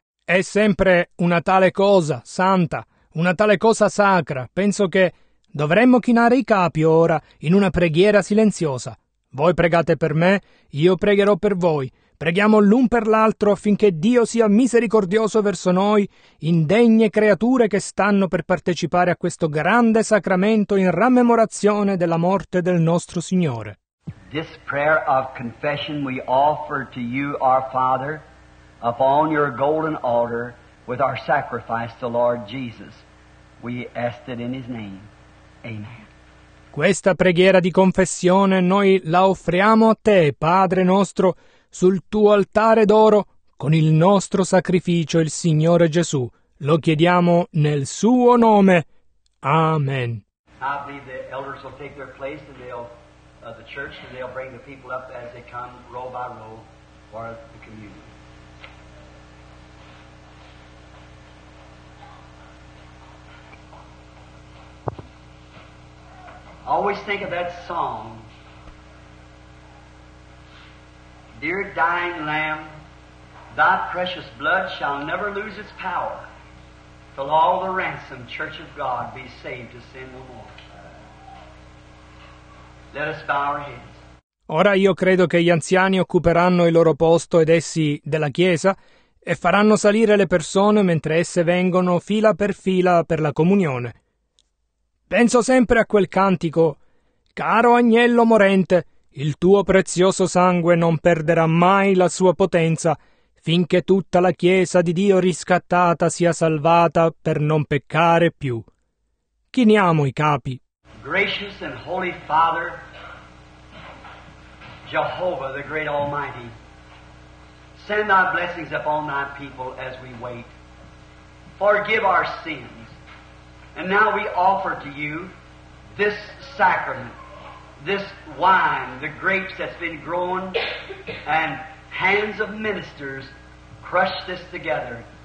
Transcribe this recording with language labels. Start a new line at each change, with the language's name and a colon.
Italian: È sempre una tale cosa santa, una tale cosa sacra. Penso che dovremmo chinare i capi ora in una preghiera silenziosa. Voi pregate per me, io pregherò per voi. Preghiamo l'un per l'altro affinché Dio sia misericordioso verso noi, indegne creature che stanno per partecipare a questo grande sacramento in rammemorazione della morte del nostro Signore.
English: This prayer of confession we offer to you, our Father, upon your golden altar with our sacrifice to Lord Jesus. We ask it in His name. Amen.
Italian: Questa preghiera di confessione noi la offriamo a te, Padre nostro, sul tuo altare d'oro, con il nostro sacrificio, il Signore Gesù. Lo chiediamo nel suo nome. Amen.
English: I believe the elders will take their place and they'll the church, and they'll bring the people up as they come row by row for the communion. Always think of that song. Dear dying Lamb, thy precious blood shall never lose its power till all the ransomed church of God be saved to sin no more. Let us bow our heads.
Italian: Ora io credo che gli anziani occuperanno il loro posto ed essi della chiesa e faranno salire le persone mentre esse vengono fila per fila per la comunione. Penso sempre a quel cantico: caro agnello morente, il tuo prezioso sangue non perderà mai la sua potenza finché tutta la Chiesa di Dio riscattata sia salvata per non peccare più. Chiniamo i capi.
English: Gracious and holy Father, Jehovah the great Almighty, send thy blessings upon thy people as we wait. Forgive our sins. And now we offer to you this sacrament, this wine, the grapes that's been grown, and hands of ministers crushed this together.